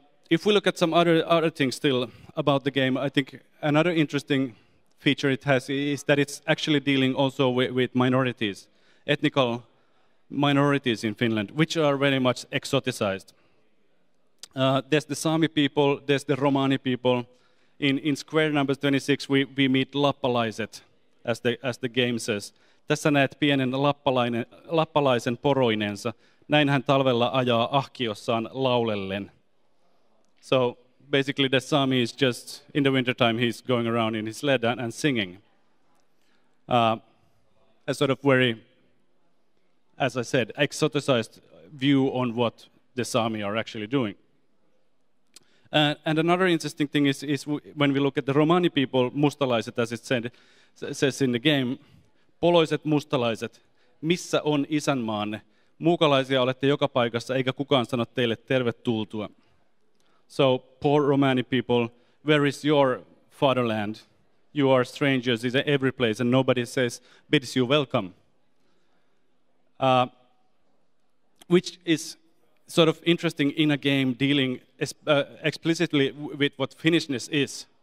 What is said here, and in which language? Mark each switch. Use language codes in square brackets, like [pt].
[en] If we look at some other things still about the game, I think another interesting feature it has is that it's actually dealing also with minorities, ethnical minorities in Finland, which are very much exoticized. There's the Sami people, there's the Romani people. In square number 26, we meet Lappalaiset, as the game says. [fi] Tässä näet pienen lappalaisen poroinensa. Näin hän talvella ajaa ahkiossaan laulellen. [en] So basically the Sami is just, in the wintertime, he's going around in his sled and singing. A sort of very, as I said, exoticized view on what the Sami are actually doing. And another interesting thing is when we look at the Romani people, mustalaiset, as it says in the game, [fi] poloiset mustalaiset, missä on isänmaanne? Muukalaisia olette joka paikassa, eikä kukaan sano teille tervetultua. [en] So, poor Romani people, where is your fatherland? You are strangers in every place and nobody says, bids you welcome. Which is sort of interesting in a game dealing explicitly with what Finnishness is.